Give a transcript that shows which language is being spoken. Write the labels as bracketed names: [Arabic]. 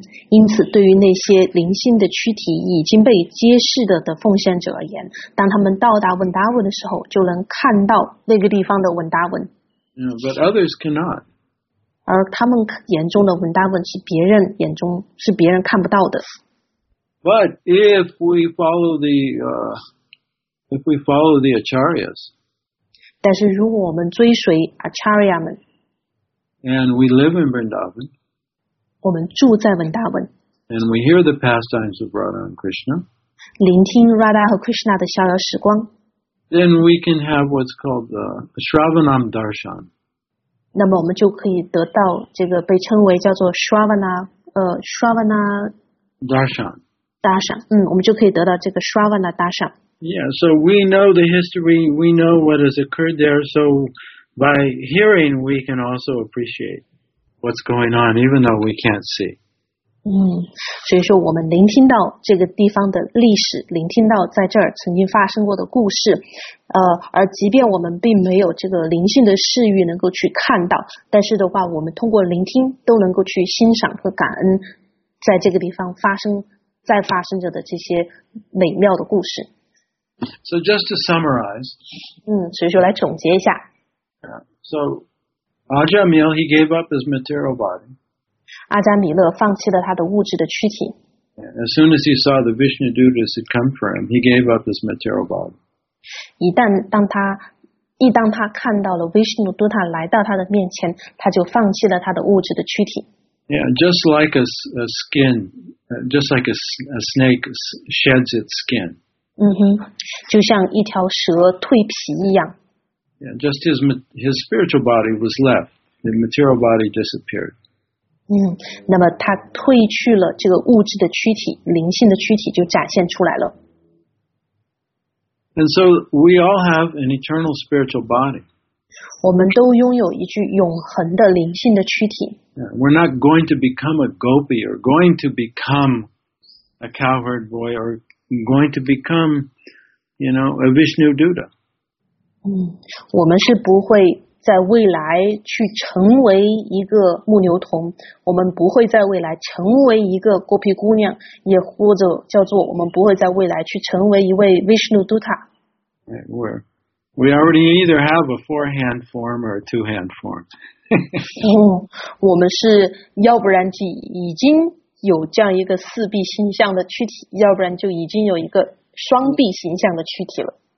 [Chinese] 因此对于那些灵性的躯体已经被揭示的奉献者而言，当他们到达文达文的时候，就能看到那个地方的文达文。 [English] But others cannot. [Chinese] 而他们眼中的文达文是别人眼中是别人看不到的。 [English] But if we follow the acharyas, [Chinese] 但是如果我们追随 acharya 们 [English] ，and we live in Vrindavan, [Chinese] 我们住在文达文 [English] ，and we hear the pastimes of Radha and Krishna, [Chinese] 聆听 Radha 和 Krishna 的逍遥时光 [English] ，then we can have what's called the Shravanam Darshan. [Chinese] 那么我们就可以得到这个被称为叫做 Shravana, Shravana Darshan. Darshan, 我们就可以得到这个 Shravana Darshan. [English] Yeah, so we know the history, we know what has occurred there, so by hearing, we can also appreciate what's going on, even though we can't see. [Chinese] 所以说我们聆听到这个地方的历史，聆听到在这儿曾经发生过的故事，而即便我们并没有这个灵性的视域能够去看到，但是的话，我们通过聆听都能够去欣赏和感恩在这个地方发生在发生着的这些美妙的故事。 [English] So just to summarize, [Chinese] 所以说来总结一下。 [English] So, Ajamil, he gave up his material body. [Chinese] 阿扎米勒放弃了他的物质的躯体。 [English] As soon as he saw the Vishnu Dutas had come for him, he gave up his material body. [Chinese] 一旦他看到了 Vishnu Dutta 来到他的面前，他就放弃了他的物质的躯体。 [English] Yeah, just like a skin, just like a snake sheds its skin. [Chinese] 就像一条蛇蜕皮一样。 [English] Yeah, just his spiritual body was left. The material body disappeared. [Chinese] 那么他褪去了这个物质的躯体，灵性的躯体就展现出来了。 [English] And so we all have an eternal spiritual body. [Chinese] 我们都拥有一具永恒的灵性的躯体。 [English] We're not going to become a gopi or going to become a cowherd boy or going to become, you know, a Vishnu Duta. [Chinese] 我们是不会在未来去成为一个牧牛童，我们不会在未来成为一个 gopi 姑娘，也或者叫做我们不会在未来去成为一位 Vishnu Duta. [English] We already either have a four-hand form or a two-hand form. [Chinese] 我们是要不然就已经有这样一个四臂形象的躯体，要不然就已经有一个双臂形象的躯体了。